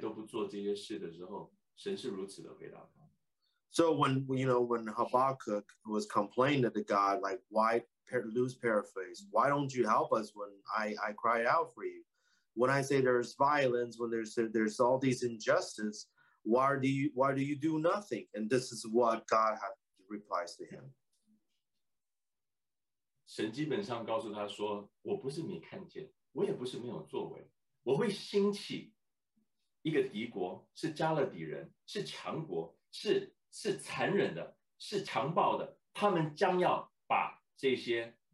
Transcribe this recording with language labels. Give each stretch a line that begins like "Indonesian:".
Chinese: 当哈巴谷对神说，神啊，为什么我祷告你不理我？为什么我看到这些强暴的事，你却不回应？为什么我要求你拯救，你却都不做这些事的时候，神是如此的回答他。
English: So when Habakkuk was complaining to God, like, why, loose paraphrase, why don't you help us when I cry out for you? When I say there's violence, when there's all these injustices, why do you do nothing? And this is what God replies to him.
Chinese: 神基本上告诉他说，我不是没看见，我也不是没有作为，我会兴起一个敌国，是加勒底人，是强国，是残忍的，是强暴的，他们将要把这些